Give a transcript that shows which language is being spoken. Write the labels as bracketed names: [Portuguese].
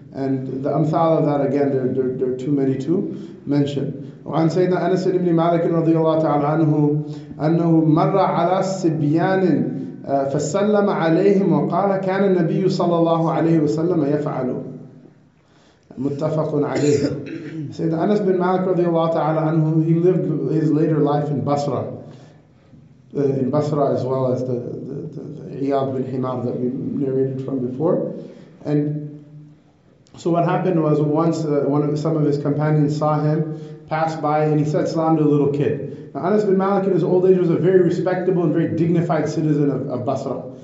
[English] And the amthal of that, again, there are too many to mention. [Arabic] وَعَنْ سَيْدَ أَنَسْ إِبْنِ مَالِكٍ رَضِيَ اللَّهُ تَعَالَىٰ عَنْهُ أَنَّهُ مَرَّ عَلَىٰ سِبْيَانٍ فَسَلَّمَ عَلَيْهِمْ وَقَالَ كَانَ النَّبِيُّ صَلَّى اللَّهُ عَلَيْهِ وَسَلَّمَ يَفْعَلُ مُتَّفَقٌ عَلَيْهِ [English] Sayyid Anas bin Malik radiallahu ta'ala anhu, he lived his later life in Basra. In Basra as well as the Iyad bin Himar that we narrated from before. And so what happened was once some of his companions saw him pass by and he said salam to a little kid. Now Anas bin Malik in his old age was a very respectable and very dignified citizen of Basra.